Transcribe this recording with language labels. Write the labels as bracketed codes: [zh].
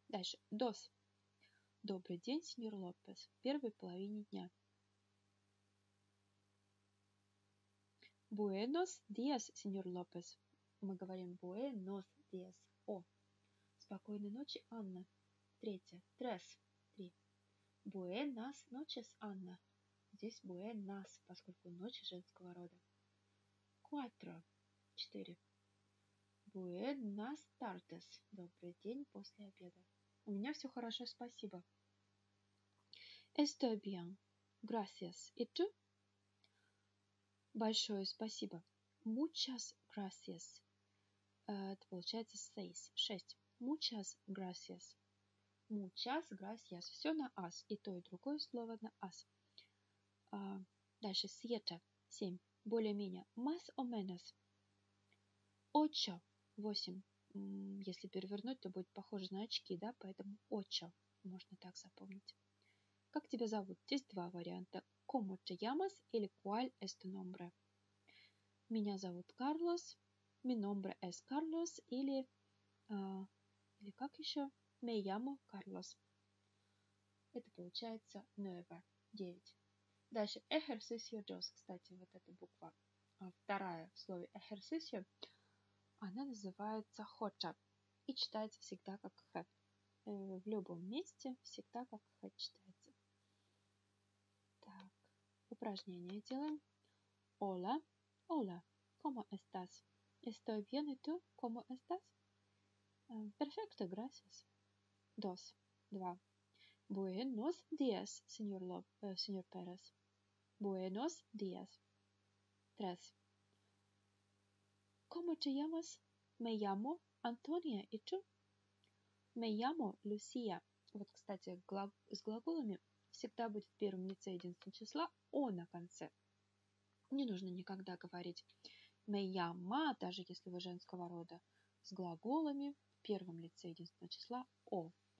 [ru] Дальше. Dos. Добрый день, сеньор Лопес. В первой половине дня. Buenos días, сеньор Лопес. Мы говорим buenos días. О. Спокойной ночи, Анна. Третья. Tres. Три. [es] Buenas noches, Анна. [ru] Здесь «буэнас», поскольку ночь женского рода. «Куатро» – четыре. «Буэнас тартес» – добрый день после обеда. У меня все хорошо, спасибо. [es] «Estoy bien. Gracias. [ru] И ты?» Большое спасибо. [es] «Muchas gracias». [ru] Это получается «seis». Шесть. [es] «Muchas gracias». [ru] «Muchas gracias». Все на «as». И то, и другое слово на «as». Дальше, siete, семь, более-менее, [es] más o menos, [ru] ocho, восемь, если перевернуть, то будет похоже на очки, да, поэтому ocho, можно так запомнить. Как тебя зовут? Здесь два варианта, [es] como te llamas [ru] или [es] cuál es tu nombre. [ru] Меня зовут Карлос, [es] mi nombre es Carlos, [ru] или, или как еще, [es] me llamo Carlos. [ru] Это получается nueve, девять. Дальше ejercicio dos, кстати, вот эта буква, вторая в слове ejercicio, она называется hocha и читается всегда как х. В любом месте всегда как х читается. Так, упражнение делаем. [es] Hola, hola, ¿cómo estás? Estoy bien, ¿y tú? ¿Cómo estás? Perfecto, gracias. Dos, два. Buenos días, señor, señor Pérez. Buenos días. Tres. ¿Cómo te llamas? Me llamo Антония [ru] и чё? [es] Me llamo Lucia. [ru] Вот, кстати, с глаголами всегда будет в первом лице единственного числа «о» на конце. Не нужно никогда говорить [es] «me llama», [ru] даже если вы женского рода, с глаголами в первом лице единственного числа «о».